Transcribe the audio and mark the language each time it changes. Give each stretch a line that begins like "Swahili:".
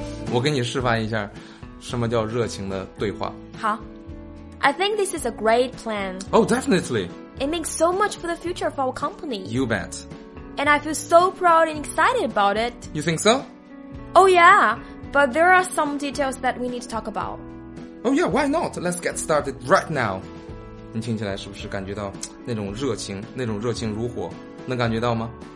Chinese: 我给你示范一下，什么叫热情的对话。好。
English: I think this is a great plan. Oh, definitely. It makes so much for the future of our company. You bet. And I feel so proud and excited about it. You think so? Oh yeah, but there are some details that we need to talk about. Oh yeah, why not? Let's get started right now.
Chinese: 你听起来是不是感觉到那种热情，那种热情如火，能感觉到吗？